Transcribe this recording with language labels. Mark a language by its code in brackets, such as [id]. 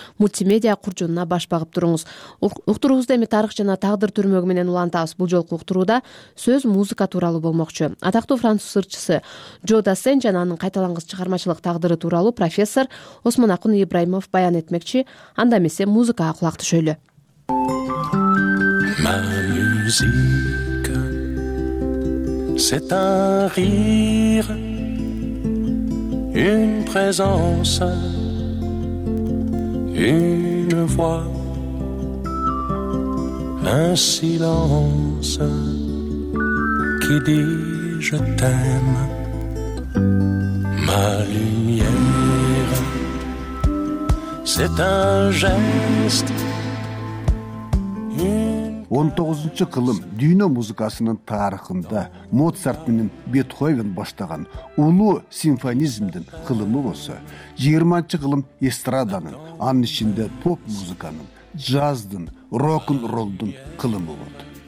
[ky] Мультимедиа куржунуна баш багып туруңуз. Уктуруубузду эми тарых жана тагдыр түрмөгү менен улантабыз. Бул жолку уктурууда сөз музыка тууралуу болмокчу. Атактуу француз ырчысы Джо Дассен жана анын кайталангыс чыгармачылык тагдыры тууралуу профессор Осман Акын Ибраимов баян этмекчи. Анда эмесе музыкага кулак түшөлү. [fr] Musique, c'est un rire, une présence, une voix, un silence qui dit je t'aime. Ma lumière, c'est un geste. [ky] 19-чы кылым дүйнө музыкасынын тарыхында Моцарт менен Бетховен баштаган улуу симфонизмдин кылымы болсо, 20-чы кылым эстраданын, анын ичинде поп музыканын, джаздын, рок-н-роллдун кылымы болот.